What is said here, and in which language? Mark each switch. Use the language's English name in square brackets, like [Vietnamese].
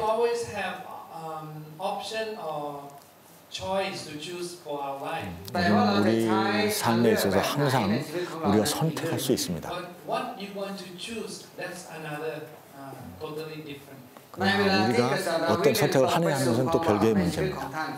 [English] We always have option or choice to choose for our life. [Korean] 우리 삶에 있어서 항상 우리가 선택할 수 있습니다. [English] What you want to choose, that's another totally different. [Korean] 우리가 어떤 선택을 하느냐 하는 것은 또 별개의 문제입니다.